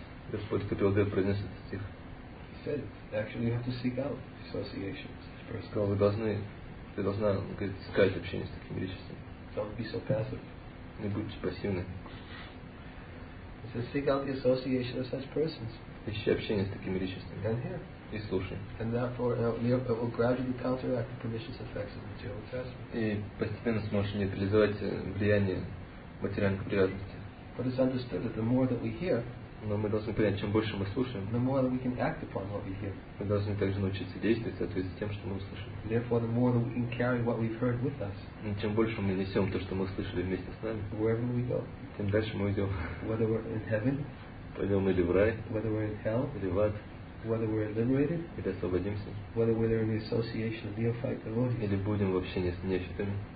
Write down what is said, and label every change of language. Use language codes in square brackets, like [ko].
[ru] Господь Капиладева произнес этот стих. [en] He said it. Actually, you have to seek out associations. First. [ru] Сказал, ты должна, говорит, искать общение с такими личностями. [en] Don't be so passive. [ru] Не будьте пассивны. [en] He says, seek out the association of such persons. [ru] Ищи общение с такими личностями. [en] And here. [ru] И слушай. [en] And therefore, it will gradually counteract the pernicious effects of material attachment. [ru] И постепенно сможешь нейтрализовать влияние материальных привязанностей. [en] But it's understood that the more that we hear, [ru] но мы должны понять, чем больше мы слушаем, [en] the more that we can act upon what we hear. [ru] Мы должны также научиться действовать в соответствии с тем, что мы услышали. [en] Therefore, the more that we can carry what we've heard with us. [ru] И чем больше мы несем то, что мы услышали вместе с нами. [en] Wherever we go. [ru] Тем дальше мы идем. [en] Whether we're in heaven. [ru] Пойдем или в рай. [en] Whether we're in hell. [ru] Или в ад. [en] Whether we're liberated, [ru] или освободимся, [en] whether we're in the association of neophyte devotees, [ru] или будем в общении с нефитами.